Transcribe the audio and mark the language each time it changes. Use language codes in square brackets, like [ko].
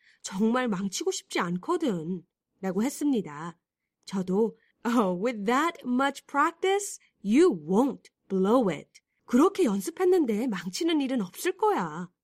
[ko] 정말 망치고 싶지 않거든. 라고 했습니다. 저도 [en] Oh, with that much practice, you won't blow it. [ko] 그렇게 연습했는데 망치는 일은 없을 거야.